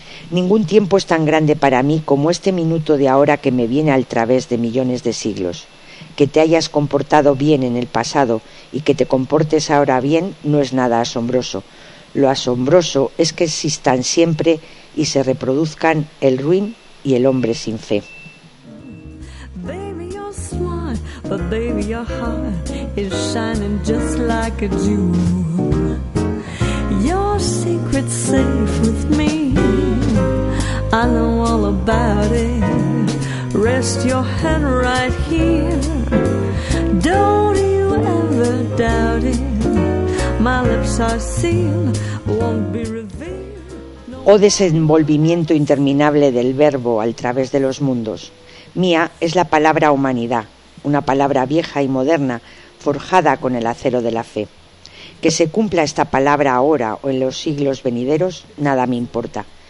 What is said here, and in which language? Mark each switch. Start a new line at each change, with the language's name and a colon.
Spanish: Ningún tiempo es tan grande para mí como este minuto de ahora que me viene al través de millones de siglos. Que te hayas comportado bien en el pasado y que te comportes ahora bien no es nada asombroso. Lo asombroso es que existan siempre y se reproduzcan el ruin y el hombre sin fe.
English: Baby, you're smart, but baby, your heart is shining just like a jewel. Your secret's safe with me. I know all about it. Rest your head right here. Don't you ever doubt it. My lips are sealed, won't be revealed.
Spanish: Oh, desenvolvimiento interminable del verbo al través de los mundos. Mía es la palabra humanidad, una palabra vieja y moderna, forjada con el acero de la fe. Que se cumpla esta palabra ahora o en los siglos venideros, nada me importa.